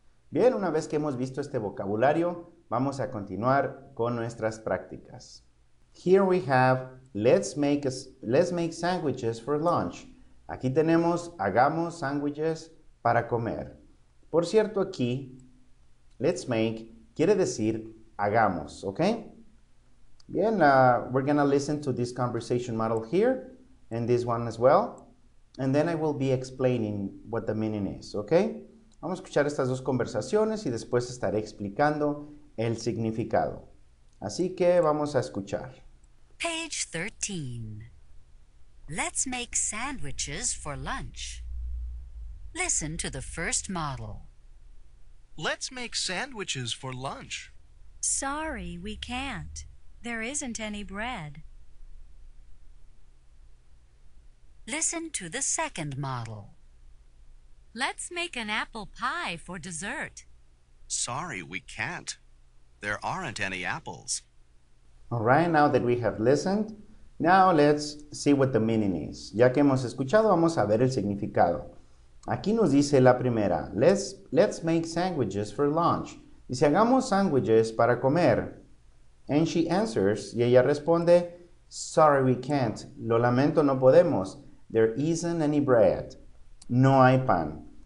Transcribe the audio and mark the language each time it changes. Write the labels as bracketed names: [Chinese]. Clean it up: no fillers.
[Spanish] Bien, una vez que hemos visto este vocabulario, vamos a continuar con nuestras prácticas. [English] Here we have, let's make sandwiches for lunch. [Spanish] Aquí tenemos, hagamos sándwiches para comer. Por cierto, aquí, [English] let's make, [Spanish] quiere decir, hagamos, ¿ok? [English] Bien, we're going to listen to this conversation model here, and this one as well, and then I will be explaining what the meaning is, ¿ok? [Spanish] Vamos a escuchar estas dos conversaciones y después estaré explicando el significado. Así que vamos a escuchar. [English] Page 13. Let's make sandwiches for lunch. Listen to the first model. Let's make sandwiches for lunch. Sorry, we can't. There isn't any bread. Listen to the second model. Let's make an apple pie for dessert. Sorry, we can't. There aren't any apples. All right, now that we have listened, now let's see what the meaning is. [Spanish] Ya que hemos escuchado, vamos a ver el significado. Aquí nos dice la primera. [English] Let's make sandwiches for lunch. [Spanish] Dice, hagamos sándwiches para comer. [English] And she answers, [Spanish] y ella responde, [English] sorry, we can't. [Spanish] Lo lamento, no podemos. [English] There isn't any bread. [Spanish] No hay pan.